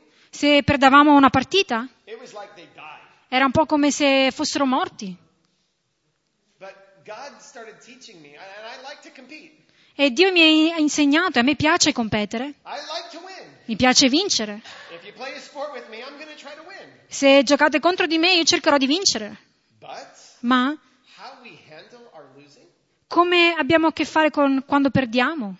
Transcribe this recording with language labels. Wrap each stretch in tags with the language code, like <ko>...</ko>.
<it>Se perdavamo una partita, era un po' come se fossero morti.</it> <en>God started teaching me, and I like to compete.</en> <it>E Dio mi ha insegnato, e a me piace competere.</it> <en>I like to win.</en> <it>Mi piace vincere.</it> <en>If you play a sport with me, I'm gonna try to win.</en> <it>Se giocate contro di me, io cercherò di vincere.</it> <en>But,</en> <it>ma</it> <en>how we handle our losing,</en> <it>come abbiamo a che fare con quando perdiamo?</it>